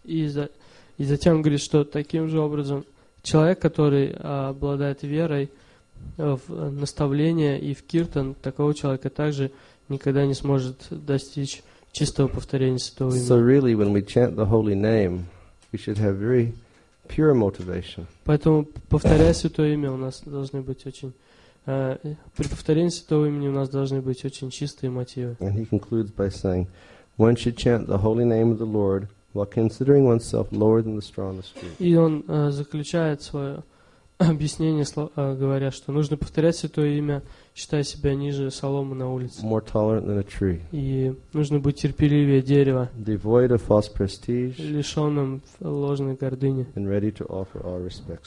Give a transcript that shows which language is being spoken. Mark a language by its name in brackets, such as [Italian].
[Russian] И затем говорит, что таким же образом человек, который обладает верой в наставление и в киртан, такого человека также никогда не сможет достичь чистого повторения святого имени. [English] So really, when we chant the holy name, we should have very pure motivation. [Russian] Поэтому, повторяя святое имя, у нас должны быть очень при повторении святого имени у нас должны быть очень чистые мотивы. [English] And he concludes by saying, one should chant the holy name of the Lord while considering oneself lower than the straw in the street. [Russian] И он заключает свое объяснение, говоря, что нужно повторять святое имя, считая себя ниже соломы на улице. [English] More tolerant than a tree. [Russian] И нужно быть терпеливее дерева. [English] Devoid of false prestige. [Russian] Лишенным ложной гордыни. [English] And ready to offer our respects.